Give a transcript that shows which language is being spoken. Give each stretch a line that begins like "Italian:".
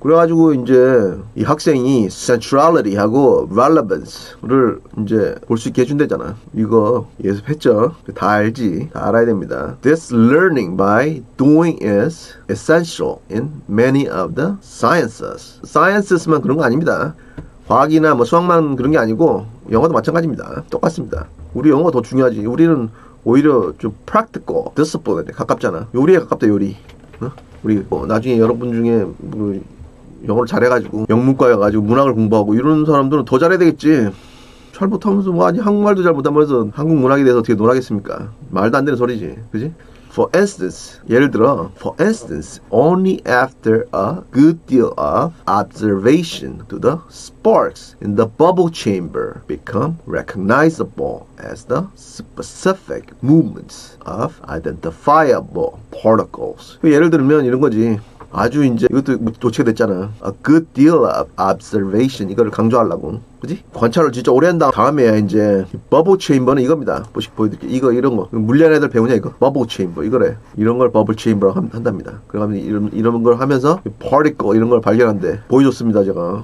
Korean: 그래가지고 이제 이 학생이 centrality하고 relevance를 이제 볼 수 있게 해준대잖아. 이거 예습했죠? 다 알지? 다 알아야 됩니다.
English: This learning by doing is essential in many of the sciences.
Korean: Sciences만 그런 거 아닙니다. 과학이나 뭐 수학만 그런 게 아니고 영어도 마찬가지입니다. 똑같습니다. 우리 영어가 더 중요하지. 우리는 오히려 좀 practical, discipline에 가깝잖아. 요리에 가깝다, 요리. 어? 우리 뭐 나중에 여러분 중에 뭐 영어를 잘해가지고 영문과에 가지고 문학을 공부하고 이런 사람들은 더 잘해야 되겠지. 잘 못하면서 뭐 아니 한국말도 잘 못하면서 한국 문학에 대해서 어떻게 논하겠습니까? 말도 안 되는 소리지, 그지?
English: For instance,
Korean: 예를 들어,
English: for instance, only after a good deal of observation do the sparks in the bubble chamber become recognizable as the specific movements of identifiable particles.
Korean: 예를 들면 이런 거지. 아주 이제 이것도 도치가 됐잖아.
English: A good deal of observation.
Korean: 이거를 강조하려고. 그지? 관찰을 진짜 오래 한 다음에야 이제 bubble chamber는 이겁니다. 보여드릴게요. 이거 이런 거. 물리한 애들 배우냐 이거? bubble chamber. 이거래. 이런 걸 bubble chamber라고 한답니다. 그러면 이런 걸 하면서 particle 이런 걸 발견한대. 보여줬습니다 제가.